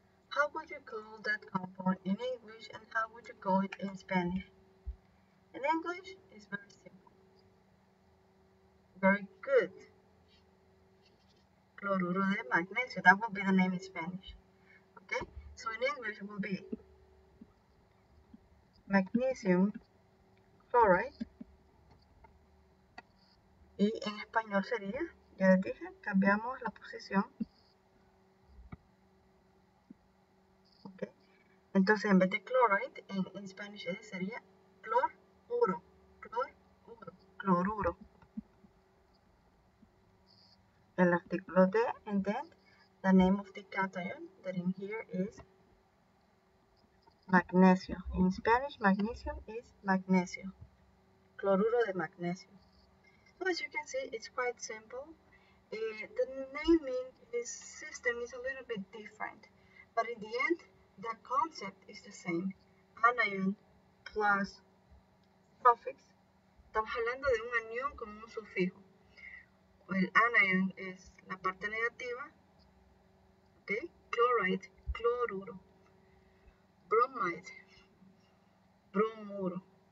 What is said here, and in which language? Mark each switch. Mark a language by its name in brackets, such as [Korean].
[English] How would you call that compound in English and how would you call it in Spanish? In English, it's very simple. Very good. Magnesio, that would be the name in Spanish. Okay? So in English it will be magnesium chloride. [Spanish] Y en español sería, ya les dije, cambiamos la posición. Okay. Entonces en vez de chloride, en Spanish sería cloruro. Cloruro. El artículo de, [English] and then the name of the cation that in here is magnesio. In Spanish, magnesium is magnesio. [Spanish] Cloruro de magnesio. [English] So as you can see, it's quite simple. The naming system is a little bit different, but in the end, the concept is the same. Anion plus suffix. [Spanish] Estamos hablando de un anión con un sufijo. El anion es la parte negativa. Okay? [English] Chloride, cloruro. Bromide, bromuro.